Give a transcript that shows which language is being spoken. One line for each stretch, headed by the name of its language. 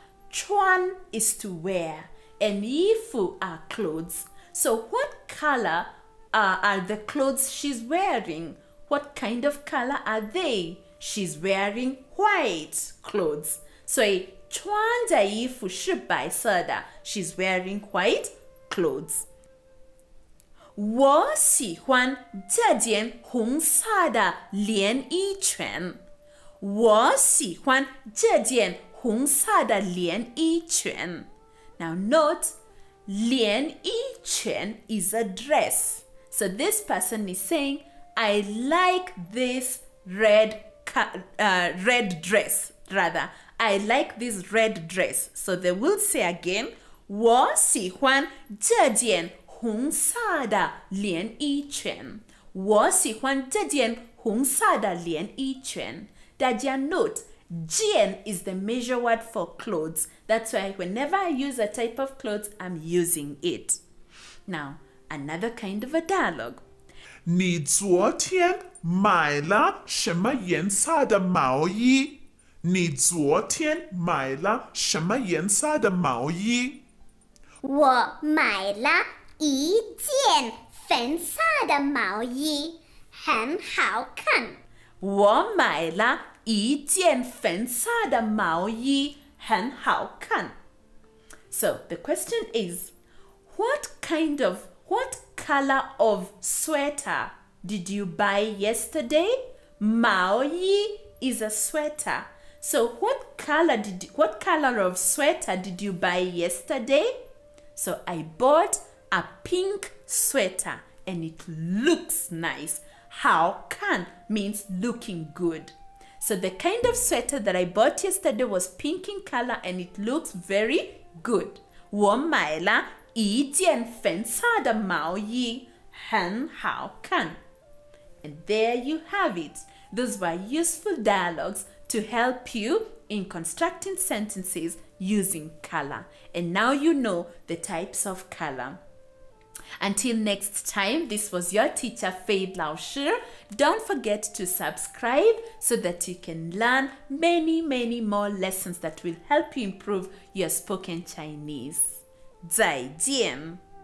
English: 穿 is to wear, and 衣服 are clothes. So what color are the clothes she's wearing? What kind of color are they? She's wearing white clothes.
Chinese: 所以穿着衣服是白色的。
English: She's wearing white clothes.
Chinese: 我喜欢这件红色的连衣裙。我喜欢这件红色的连衣裙。
English: Now note, 连衣裙 is a dress. So this person is saying,I like this red dress. So they will say again,
Chinese: 我喜欢这件红色的连衣裙。我喜欢这件红色的连衣裙。
English: 大家 note, 件 is the measure word for clothes. That's why whenever I use a type of clothes, I'm using it. Now, another kind of a dialogue.
Chinese: 你昨天买了什么颜色的毛衣？你昨天买了什么颜色的毛衣？我买了一件粉色的毛衣，很好看。我买了一件粉色的毛衣，很好看。
English: So the question is, what color of sweater did you buy yesterday? 毛衣 is a sweater. So what color of sweater did you buy yesterday? So I bought a pink sweater and it looks nice. 好看 means looking good. So the kind of sweater that I bought yesterday was pink in color and it looks very good.
Chinese: 我买了一件粉色的毛衣很好看。
English: And there you have it. Those were useful dialogues to help you in constructing sentences using color. And now you know the types of color. Until next time, this was your teacher, Faith Lao Shi. Don't forget to subscribe so that you can learn many, many more lessons that will help you improve your spoken Chinese. 再见。